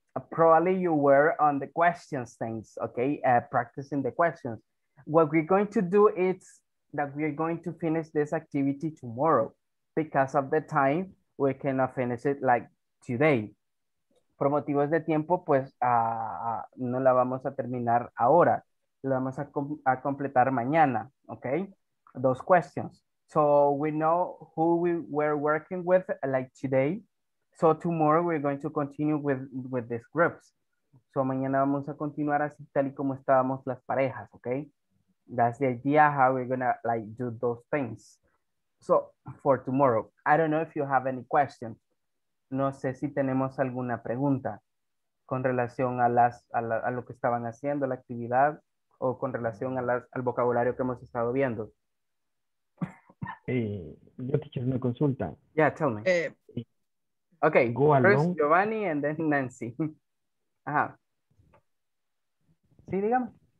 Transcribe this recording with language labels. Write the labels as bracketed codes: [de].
[en] Probably you were on the questions things, okay? Practicing the questions. What we're going to do is that we're going to finish this activity tomorrow. Because of the time, we cannot finish it like today. [es] Por motivos de tiempo, pues no la vamos a terminar ahora. La vamos a completar mañana, okay? [en] Those questions. So we know who we were working with like today. So tomorrow we're going to continue with these groups. [es] So mañana vamos a continuar así tal y como estábamos las parejas, okay? [en] That's the idea how we're gonna like do those things. So for tomorrow, I don't know if you have any questions. [es] No sé si tenemos alguna pregunta con relación a lo que estaban haciendo, la actividad, o con relación al vocabulario que hemos estado viendo. Yo te quiero una consulta. [en] Yeah, tell me. Okay, go first along. Giovanni and then Nancy. Ajá. [es] Sí, dígame.